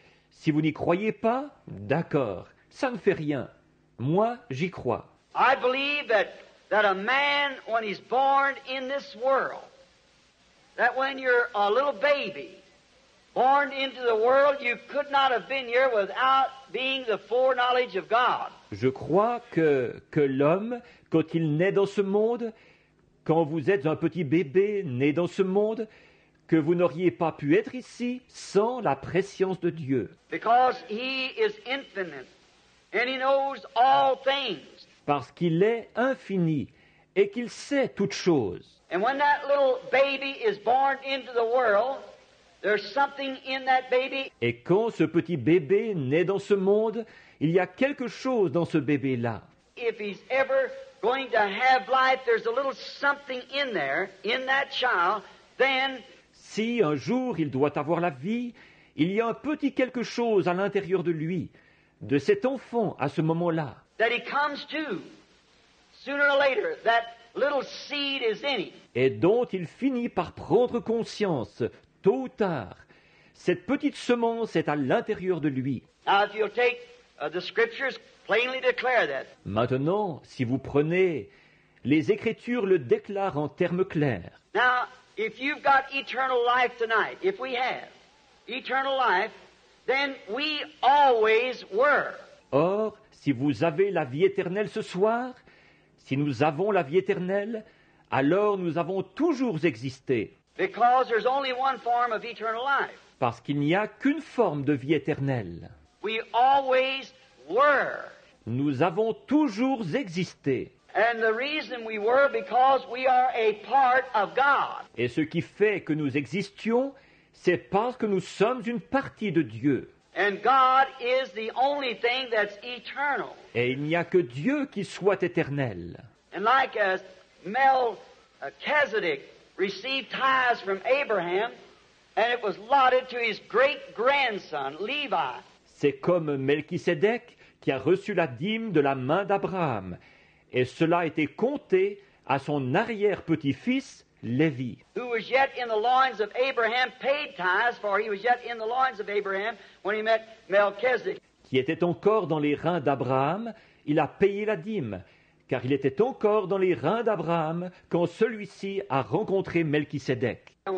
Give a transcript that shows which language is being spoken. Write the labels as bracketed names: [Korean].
[French] Si vous n'y croyez pas, d'accord, ça ne fait rien. Moi, j'y crois. [English] I believe that a man, when he's born in this world, that when you're a little baby, born into the world, you could not have been here without being the foreknowledge of God. [French] Je crois que l'homme, quand il naît dans ce monde, quand vous êtes un petit bébé né dans ce monde, que vous n'auriez pas pu être ici sans la préscience de Dieu. [English] Because he is infinite and he knows all things. [French] Parce qu'il est infini et qu'il sait toutes choses. [English] And when that little baby is born into the world, there's something in that baby. [French] Et quand ce petit bébé naît dans ce monde, il y a quelque chose dans ce bébé-là. [English] If he's ever going to have life, there's a little something in there, in that child, then... [French] Si un jour il doit avoir la vie, il y a un petit quelque chose à l'intérieur de lui, de cet enfant à ce moment-là. [English] That he comes to, sooner or later, that little seed is in him. [French] Et dont il finit par prendre conscience, tôt ou tard. Cette petite semence est à l'intérieur de lui. [English] Now, if you'll take the scriptures... Plainly declare that. [French] Maintenant, si vous prenez, les Écritures le déclarent en termes clairs. [English] Now, if you've got eternal life tonight, if we have eternal life, then we always were. [French] Or, si vous avez la vie éternelle ce soir, si nous avons la vie éternelle, alors nous avons toujours existé. [English] Because there's only one form of eternal life. [French] Parce qu'il n'y a qu'une forme de vie éternelle. [English] We always were. [French] Nous avons toujours existé. [English] And the reason we were because we are a part of God. [French] Et ce qui fait que nous existions, c'est parce que nous sommes une partie de Dieu. [English] And God is the only thing that's eternal. [French] Et il n'y a que Dieu qui soit éternel. [English] And like as Melchizedek received tithes from Abraham, and it was allotted to his great-grandson, Levi. [French] C'est comme Melchisédek qui a reçu la dîme de la main d'Abraham, et cela a été compté à son arrière-petit-fils, Lévi. [English] Who was yet in the loins of Abraham, paid tithes, for he was yet in the loins of Abraham when he met Melchizedek. [French] Qui était encore dans les reins d'Abraham, il a payé la dîme, car il était encore dans les reins d'Abraham quand celui-ci a rencontré Melchisédek.